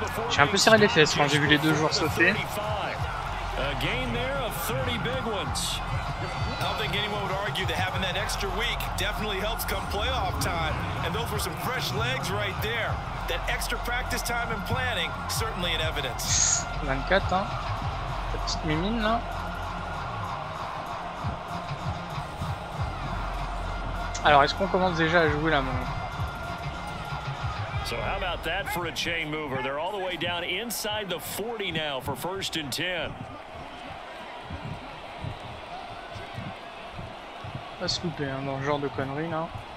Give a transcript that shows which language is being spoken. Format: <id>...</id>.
<fr>J'ai un peu serré les fesses quand j'ai vu les deux joueurs sauter.</fr> <en>A gain there of 30 big ones. I don't think anyone would argue that having that extra week definitely helps come playoff time. And those were some fresh legs right there. That extra practice time and planning, certainly in evidence.</en> <fr>24, hein? La petite mimine, là. Alors, est-ce qu'on commence déjà à jouer là, mon?</fr> <en>So how about that for a chain mover? They're all the way down inside the 40 now for first and 10.</en> <fr>à se louper hein, dans ce genre de conneries là.</fr>